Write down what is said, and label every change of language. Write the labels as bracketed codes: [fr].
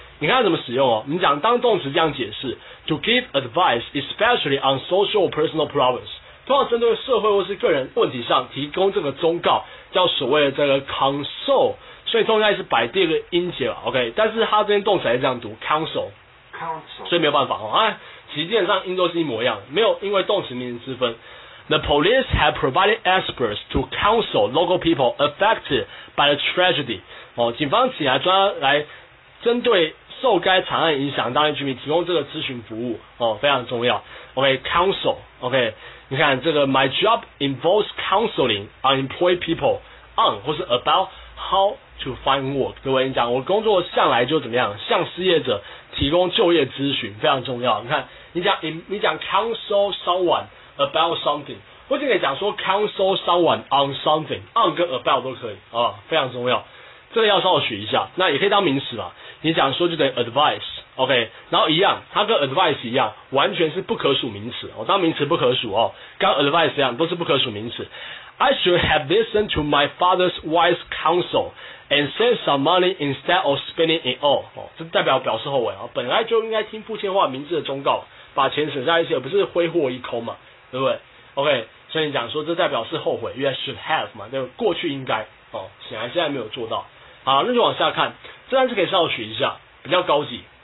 [zh] 你看它怎么使用哦？你讲当动词这样解释 ： [en] To give advice, especially on social or personal problems， [zh] 通常针对社会或是个人问题上提供这个忠告，叫所谓的这个 Council。所以通常是摆第二个音节了 ，OK， 但是它这边动词还是这样读 ，counsel， 所以没有办法哦，啊，其实基本上音都是一模一样，没有因为动词名词之分。 [en] The police have provided experts to counsel local people affected by the tragedy。 [zh] 哦，警方请来专来针对受该惨案影响当地居民提供这个咨询服务，哦，非常重要。 [en] OK，counsel，OK，、okay, okay, [zh] 你看这个 [en] ，My job involves counseling unemployed people on [zh] 或是 [en] about。 How to find work， [zh] 各位，你讲我工作向来就怎么样，向失业者提供就业咨询非常重要。你看，你讲 [en] counsel someone about something， [zh] 或者可以讲说 [en] counsel someone on something， [zh] on 跟 about 都可以啊，非常重要。这个要稍微学一下，那也可以当名词嘛。你讲说就等于 advice， OK， 然后一样，它跟 advice 一样，完全是不可数名词哦，当名词不可数哦，跟 advice 一样，都是不可数名词。 [en] I should have listened to my father's wise counsel and saved some money instead of spending it all。 [zh] 哦，这代表表示后悔哦，本来就应该听父亲话，明智的忠告，把钱省下一些，而不是挥霍一空嘛，对不对 ？OK， 所以你讲说这代表是后悔 ，you should have 嘛，就过去应该哦，显然现在没有做到。好，那就往下看，这单词可以稍微学一下，比较高级。